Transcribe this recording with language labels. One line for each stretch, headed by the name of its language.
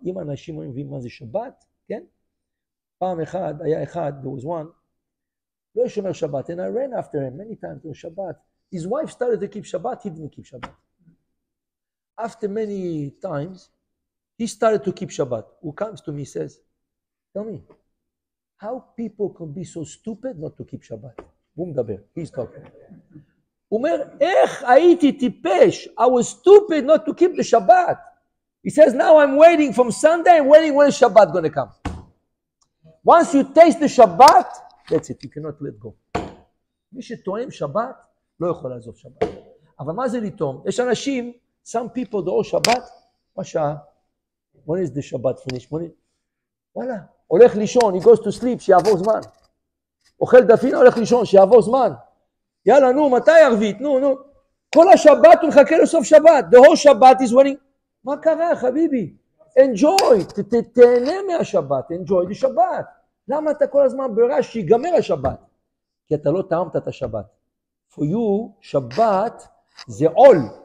Hebrew: אם אנשים אומרים ואם מה זה Shabbat, כן? פעם אחד, היה אחד,
English: there was one,
Hebrew: לא שומר Shabbat,
English: and I ran after him many times on Shabbat. His wife started to keep Shabbat, he didn't keep Shabbat. After many times, he started to keep Shabbat. Who comes to me says, tell me, how people can be so stupid not to keep Shabbat?
Hebrew: הוא מדבר,
English: he's talking.
Hebrew: הוא אומר, איך הייתי טיפש?
English: I was stupid not to keep the Shabbat. He says, now I'm waiting from Sunday, I'm waiting when Shabbat going to come. Once you taste the Shabbat, that's it, you cannot let go.
Hebrew: מי שתואם Shabbat, לא יכול לעזוב Shabbat. אבל מה זה לתאום? יש אנשים,
English: some people do all Shabbat,
Hebrew: מה שעה?
English: When is the Shabbat finished? When is...
Hebrew: וואלה, הולך לישון,
English: he goes to sleep,
Hebrew: שיעבור זמן. אוכל דפינה, הולך לישון, שיעבור זמן. יאללה, נו, מתי ערבית? נו, נו. כל השבת הוא מחכה לסוף Shabbat.
English: The whole Shabbat is waiting.
Hebrew: מה קרה, חביבי?
English: Enjoy,
Hebrew: תהנה מהשבת,
English: enjoy the Shabbat.
Hebrew: למה אתה כל הזמן ברש שיגמר השבת? כי אתה לא טעמת את השבת.
English: For you,
Hebrew: שבת זה עול.